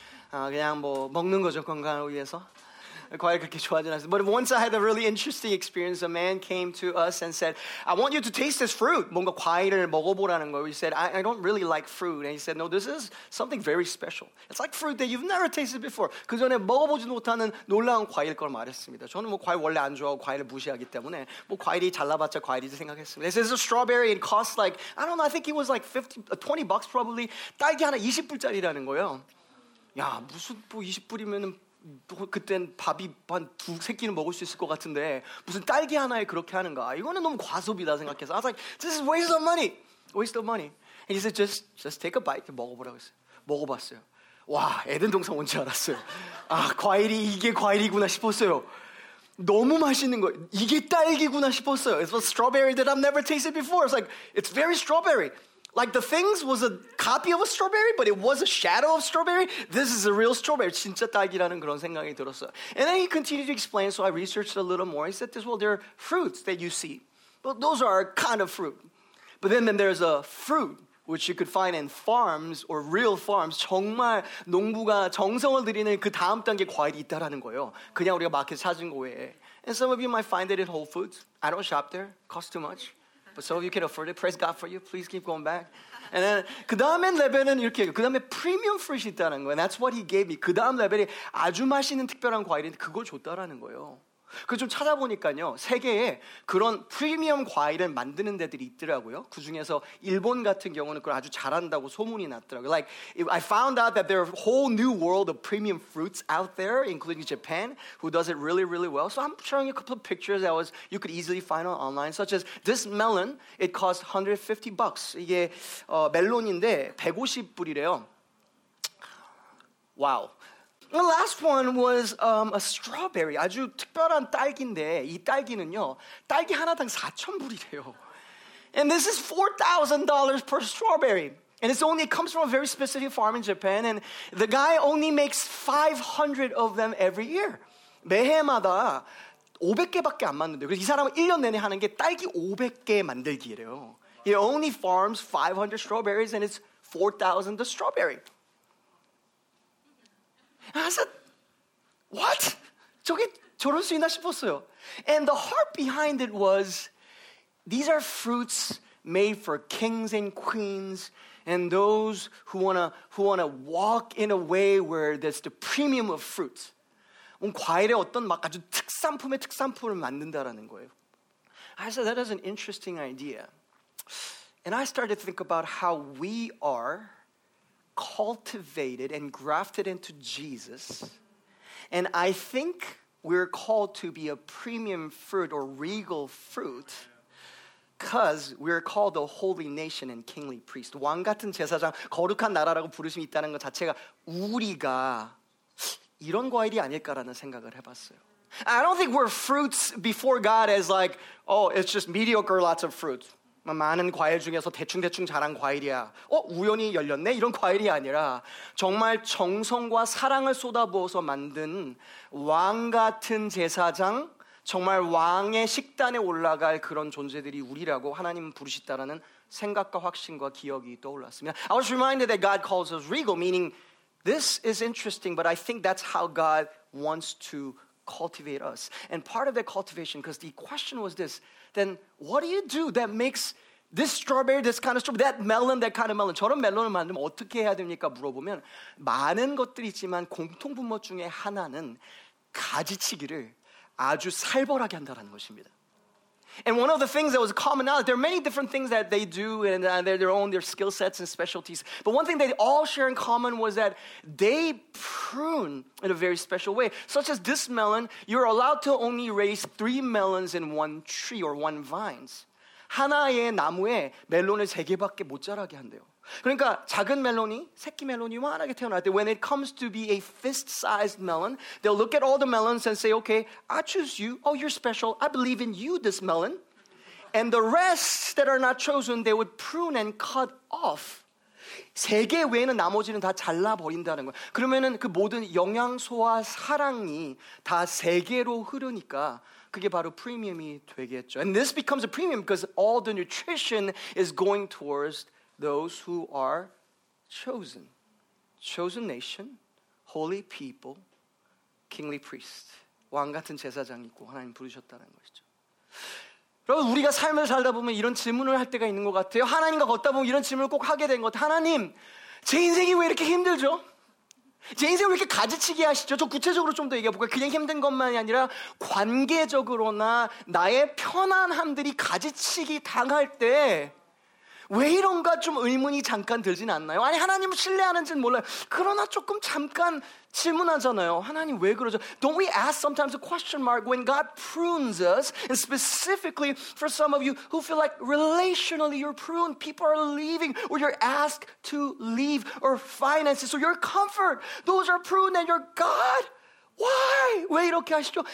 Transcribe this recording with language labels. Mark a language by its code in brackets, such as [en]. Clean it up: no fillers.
[ko] 그냥 뭐 먹는 거죠, 건강을 위해서. 과일 그렇게 좋아하진 않습니다. [en] But once I had a really interesting experience. A man came to us and said, I want you to taste this fruit. [ko] 뭔가 과일을 먹어보라는 거예요. [en] He said, I don't really like fruit. And he said, no, this is something very special. It's like fruit that you've never tasted before. [ko] 그 전에 먹어보지 못하는 놀라운 과일 걸 말했습니다. 저는 뭐 과일 원래 안 좋아하고 과일을 무시하기 때문에 뭐 과일이 잘라봤자 과일이지 생각했습니다. [en] This is a strawberry. It costs like, I don't know, I think it was like 20 bucks probably. [ko] 딸기 하나 20불짜리라는 거예요. 야, 무슨 뭐 20불이면은 그땐 밥이 한 두 세끼는 먹을 수 있을 것 같은데 무슨 딸기 하나에 그렇게 하는가? 이거는 너무 과소비다 생각해서 [en] I was like, this is waste of money, waste of money. And he said, just take a bite, [ko] 먹어보라고 했어요. 먹어봤어요. 와, 에덴 동산 온 줄 알았어요. 아, 과일이 이게 과일이구나 싶었어요. 너무 맛있는 거, 이게 딸기구나 싶었어요. [en] It's a strawberry that I've never tasted before. It's like, it's very strawberry. Like the things was a copy of a strawberry, but it was a shadow of strawberry. This is a real strawberry. [ko] 진짜 딸기라는 그런 생각이 들었어. [en] And then he continued to explain, so I researched a little more. He said, this, well, there are fruits that you see. But those are kind of fruit. But then there's a fruit which you could find in farms or real farms. [ko] 정말 농부가 정성을 들이는 그 다음 단계 과일이 있다라는 거예요. 그냥 우리가 마켓 찾은 거 외에. [en] And some of you might find it at Whole Foods. I don't shop there. Costs too much. But some of you can afford it. Praise God for you. Please keep going back. And then [ko] 그 다음에 레벨은 이렇게 그 다음에 프리미엄 프루트 있다는 거예요. [en] That's what he gave me. [ko] 그 다음 레벨이 아주 맛있는 특별한 과일인데 그걸 줬다라는 거예요. 그 좀 찾아보니까요. 세계에 그런 프리미엄 과일을 만드는 데들이 있더라고요. 그 중에서 일본 같은 경우는 그걸 아주 잘한다고 소문이 났더라고요. [en] Like, I found out that there are a whole new world of premium fruits out there, including Japan, who does it really, really well. So I'm showing you a couple of pictures that was, you could easily find online, such as this melon. It costs 150 bucks. [ko] 이게 멜론인데 150불이래요. [en] Wow. The last one was a strawberry. [ko] 아주 특별한 딸기인데 이 딸기는요. 딸기 하나당 4,000불이래요. [en] And this is $4,000 per strawberry. And it's only, it comes from a very specific farm in Japan. And the guy only makes 500 of them every year. [ko] 매해마다 500개밖에 안 만드는데 이 사람은 1년 내내 하는 게 딸기 500개 만들기래요. [en] He only farms 500 strawberries and it's 4,000 the strawberry. And I said, what? [ko] 저게 저럴 수 있나 싶었어요. [en] And the heart behind it was, these are fruits made for kings and queens and those who wanna walk in a way where there's the premium of fruits. [ko] 과일의 어떤 막 아주 특산품의 특산품을 만든다라는 거예요. [en] I said, that is an interesting idea. And I started to think about how we are cultivated and grafted into Jesus, and I think we're called to be a premium fruit or regal fruit because we're called a holy nation and kingly priest. [ko] 왕 같은 제사장, 거룩한 나라라고 부르심이 있다는 것 자체가 우리가 이런 과일이 아닐까라는 생각을 해봤어요. [en] I don't think we're fruits before God as like, oh, it's just mediocre, lots of fruit. [ko] 많은 과일 중에서 대충대충 자란 과일이야. 어? 우연히 열렸네? 이런 과일이 아니라 정말 정성과 사랑을 쏟아부어서 만든 왕 같은 제사장, 정말 왕의 식단에 올라갈 그런 존재들이 우리라고 하나님은 부르셨다라는 생각과 확신과 기억이 떠올랐습니다. [en] I was reminded that God calls us regal, meaning this is interesting, but I think that's how God wants to cultivate us. And part of that cultivation, because the question was this, then what do you do that makes this strawberry, this kind of strawberry, that melon, that kind of melon? [ko] 저런 멜론을 만들면 어떻게 해야 됩니까? 물어보면 많은 것들이 있지만 공통분모 중에 하나는 가지치기를 아주 살벌하게 한다는 것입니다. [en] And one of the things that was common out, there are many different things that they do and their skill sets and specialties. But one thing they all share in common was that they prune in a very special way. Such as this melon, you're allowed to only raise 3 melons in one tree or one vines. [ko] 하나의 나무에 멜론을 세 개밖에 못 자라게 한대요. 그러니까 작은 멜론이 새끼 멜론이 만하게 태어날 때 [en] when it comes to be a fist-sized melon, they'll look at all the melons and say, okay, I choose you. Oh, you're special. I believe in you, this melon. And the rest that are not chosen, they would prune and cut off. [ko] 세 개 외에는 나머지는 다 잘라버린다는 거예요. 그러면은 그 모든 영양소와 사랑이 다 세 개로 흐르니까 그게 바로 프리미엄이 되겠죠. [en] And this becomes a premium because all the nutrition is going towards those who are chosen. Chosen nation, holy people, kingly priest. [ko] 왕 같은 제사장이고 하나님 부르셨다는 것이죠. 여러분 우리가 삶을 살다 보면 이런 질문을 할 때가 있는 것 같아요. 하나님과 걷다 보면 이런 질문을 꼭 하게 된 것 같아요. 하나님, 제 인생이 왜 이렇게 힘들죠? 제 인생을 왜 이렇게 가지치기 하시죠? 저 구체적으로 좀 더 얘기해 볼까요? 그냥 힘든 것만이 아니라 관계적으로나 나의 편안함들이 가지치기 당할 때 왜 이런가 좀 의문이 잠깐 들진 않나요? 아니 하나님을 신뢰하는지는 몰라요. 그러나 조금 잠깐 질문하잖아요. 하나님 왜 그러죠? [en] Don't we ask sometimes a question mark when God prunes us? And specifically for some of you who feel like relationally you're pruned, people are leaving or you're asked to leave or finances or your comfort, those are pruned and you're God. Why? [ko] 왜 이렇게 하시죠?